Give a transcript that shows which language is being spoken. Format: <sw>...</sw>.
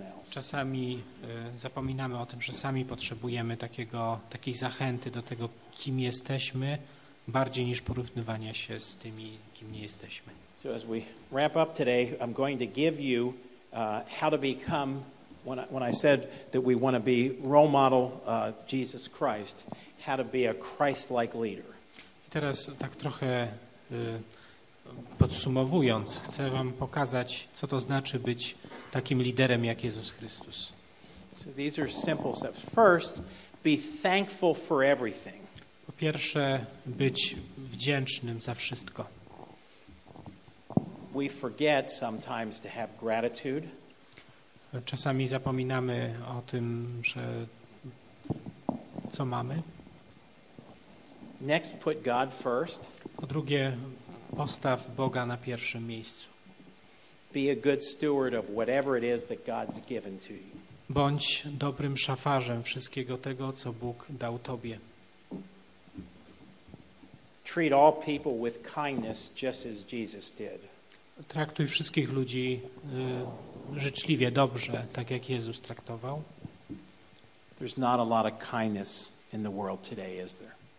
<pl>Czasami zapominamy o tym, że sami potrzebujemy takiej zachęty do tego, kim jesteśmy, bardziej niż porównywania się z tymi, kim nie jesteśmy.</pl> <en>So as we wrap up today, I'm going to give you how to become, when I said that we want to be role model Jesus Christ, how to be a Christ-like leader.</en> <pl>I teraz tak trochę podsumowując, chcę wam pokazać, co to znaczy być takim liderem jak Jezus Chrystus.</pl> <en>So these are simple steps. First, be thankful for everything.</en> <pl>Po pierwsze, być wdzięcznym za wszystko.</pl> <en>We forget sometimes to have gratitude.</en> <pl>Czasami zapominamy o tym, że co mamy.</pl> <en>Next, put God first.</en> <pl>Po drugie, postaw Boga na pierwszym miejscu.</pl> <en>Be a good steward of whatever it is that God's given to you.</en> <pl>Bądź dobrym szafarzem wszystkiego tego, co Bóg dał tobie.</pl> <en>Treat all people with kindness, just as Jesus did.</en> <pl>Traktuj wszystkich ludzi życzliwie, dobrze, tak jak Jezus traktował.</pl> <en>There's not a lot of kindness in the world today, is there?</en>